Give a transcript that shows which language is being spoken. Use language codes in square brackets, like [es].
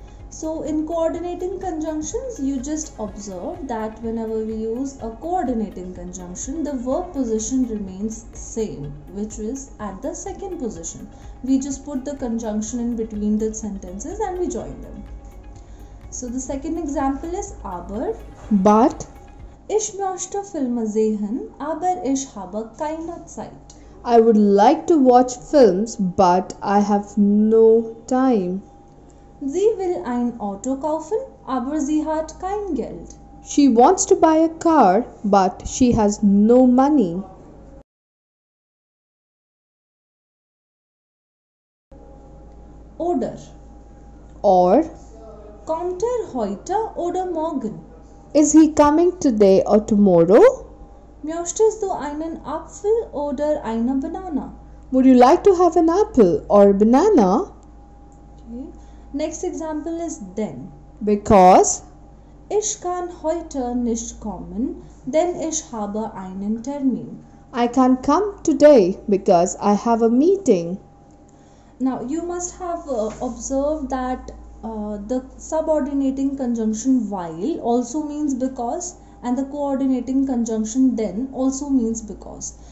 [en] So in coordinating conjunctions, you just observe that whenever we use a coordinating conjunction, the verb position remains same, which is at the second position. We just put the conjunction in between the sentences and we join them. So the second example is aber. But. [de] Ich möchte Filme sehen, aber ich habe keine Zeit. [en] I would like to watch films, but I have no time. [de] Sie will ein Auto kaufen, aber sie hat kein Geld. [en] She wants to buy a car, but she has no money. [de] Oder. [en] Or. [de] Kommt heute oder morgen? [en] Is he coming today or tomorrow? [de] Möchtest du einen Apfel oder eine Banane? [en] Would you like to have an apple or a banana? Okay. Next example is then. Because. [de] Ich kann heute nicht kommen, denn ich habe einen Termin. [en] I can't come today because I have a meeting. Now, you must have observed that the subordinating conjunction while also means because. And the coordinating conjunction then also means because.